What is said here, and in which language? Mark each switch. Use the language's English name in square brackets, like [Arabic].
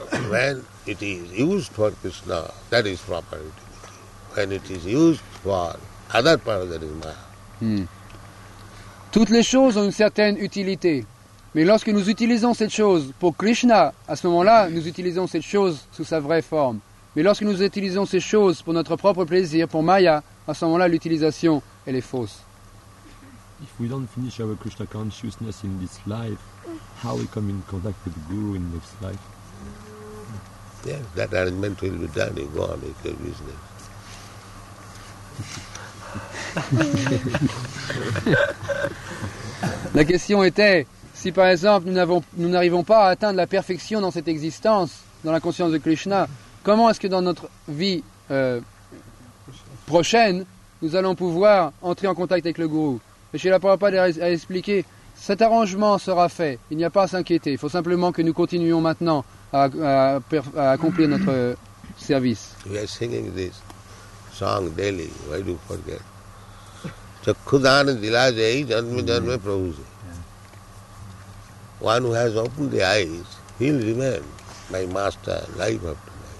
[English] When it is used for Krishna, that is proper utility. When it is used for other purpose, that is maya. [French] Toutes les choses ont une certaine utilité. Mais lorsque nous utilisons cette chose pour Krishna, à ce moment-là, nous utilisons cette chose sous sa vraie forme. Mais lorsque nous utilisons ces choses pour notre propre plaisir, pour Maya, à ce moment-là, l'utilisation, elle est fausse. [English] If we don't finish our Krishna consciousness in this life, how we come in contact with the Guru in next life? Yes, that arrangement will be done in God, in your business. [French] La question était, si par exemple, nous n'arrivons pas à atteindre la perfection dans cette existence, dans la conscience de Krishna, comment est-ce que dans notre vie prochaine, nous allons pouvoir entrer en contact avec le Gourou. Et Srila Prabhupada a expliqué, cet arrangement sera fait, il n'y a pas à s'inquiéter, il faut simplement que nous continuions maintenant à accomplir notre service. [English] We are singing this song daily, why do you forget? [Bangla] Chakkhudana dilajai janme janme prabhuje. [English] One who has opened the eyes, he'll remain my master, life after.